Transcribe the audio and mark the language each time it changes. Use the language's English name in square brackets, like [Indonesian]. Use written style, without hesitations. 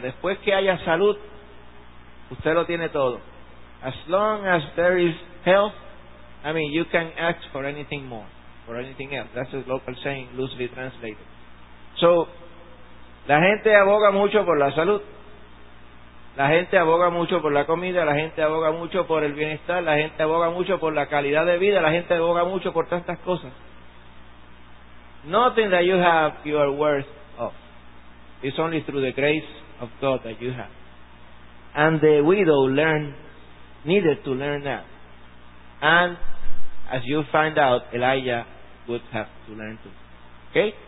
[Spanish] Después que haya salud, usted lo tiene todo. [English] As long as there is health, I mean, you can ask for anything more, for anything else. That's a local saying, loosely translated. [Spanish] So, la gente aboga mucho por la salud. La gente aboga mucho por la comida, la gente aboga mucho por el bienestar, la gente aboga mucho por la calidad de vida, la gente aboga mucho por tantas cosas. [English] Nothing that you have, you are worth of. It's only through the grace of God that you have. And the widow needed to learn that. And as you find out, Elijah would have to learn too. Okay?